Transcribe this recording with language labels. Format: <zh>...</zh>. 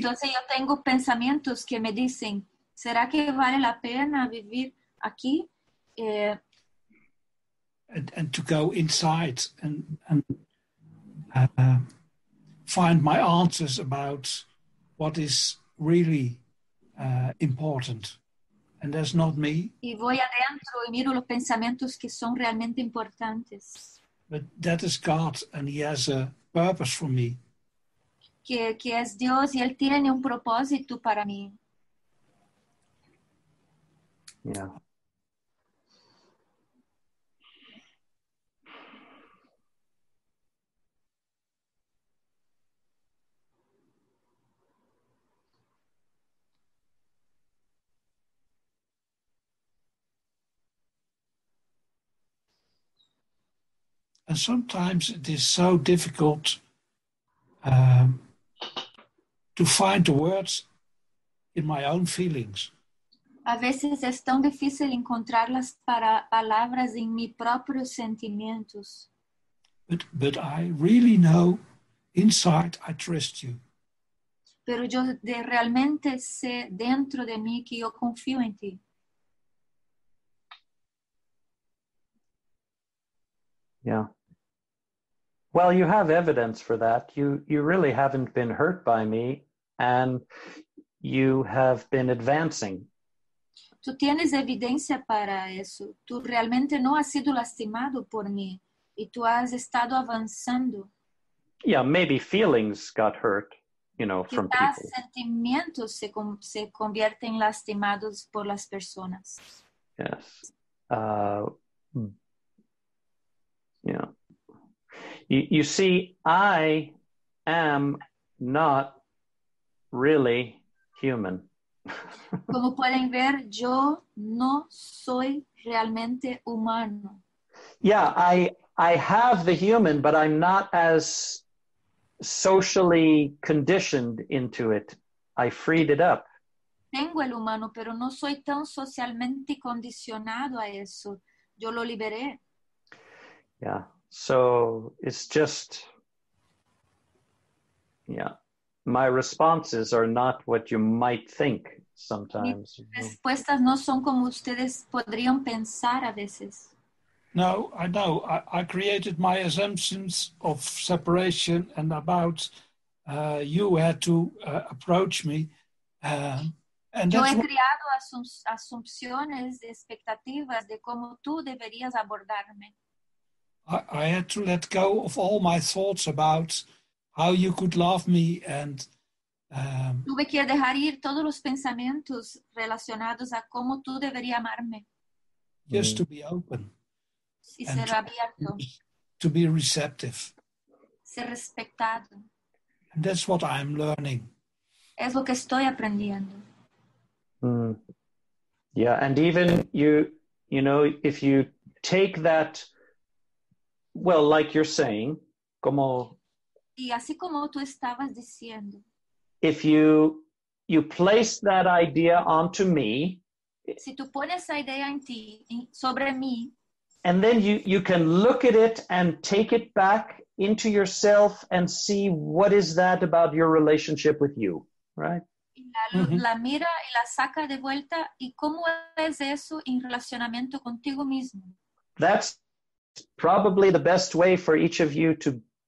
<es>Entonces yo tengo pensamientos que me dicen, ¿será que vale la pena vivir aquí?</es> <en>And to go inside and find my answers about what is really important, and that's not me.</en> <es>Y voy adentro y miro los pensamientos que son realmente importantes.</es> <en>But that is God, and He has a purpose for me.</en> <es>Que es Dios y Él tiene un propósito para mí.</es> <en>Yeah. And sometimes it is so difficult to find the words in my own feelings.</en> <es>A veces es tan difícil encontrar las palabras en mis propios sentimientos.</es> <en>But I really know inside I trust you.</en> <es>Pero yo realmente sé dentro de mí que yo confío en ti.</es> <en>Yeah. Well, you have evidence for that. You really haven't been hurt by me, and you have been advancing.</en> <es>Tú tienes evidencia para eso. Tú realmente no has sido lastimado por mí, y tú has estado avanzando.</es> <en>Yeah, maybe feelings got hurt, you know, from people.</en> <es>Quizás sentimientos se convierten lastimados por las personas.</es> <en>Yes. Yeah. You see, I am not really human.</en> <es>Como pueden ver, yo no soy realmente humano.</es> <en>Yeah, I have the human, but I'm not as socially conditioned into it. I freed it up.</en> <es>Tengo el humano, pero no soy tan socialmente condicionado a eso. Yo lo liberé.</es> <en>Yeah. So it's just, yeah, my responses are not what you might think sometimes.</en> <es>Mis respuestas no son como ustedes podrían pensar a veces.</es> <en>No, I know. I created my assumptions of separation and about you had to approach me.</en> <es>Yo he creado asunciones y expectativas de cómo tú deberías abordarme.</es> <en>I had to let go of all my thoughts about how you could love me and</en> <es>tuve que dejar ir todos los pensamientos relacionados a cómo tú deberías amarme.</es> <en>Just to be open.</en> <es>Y ser abierto.</es> <en>To be receptive.</en> <es>Ser respetado.</es> <en>And that's what I'm learning.</en> <es>Es lo que estoy aprendiendo.</es> <en>Yeah, and even you know, if you take that. Well, like you're saying, como.</en> <es>Y así como tú estabas diciendo.</es> <en>If you place that idea onto me.</en> <es>Si tú pones esa idea en ti, sobre mí.</es> <en>And then you can look at it and take it back into yourself and see what is that about your relationship with you, right?</en> <es>La mira y la saca de vuelta y cómo es eso en relacionamiento contigo mismo.</es> <en>That's probably the best way for each of you to</en>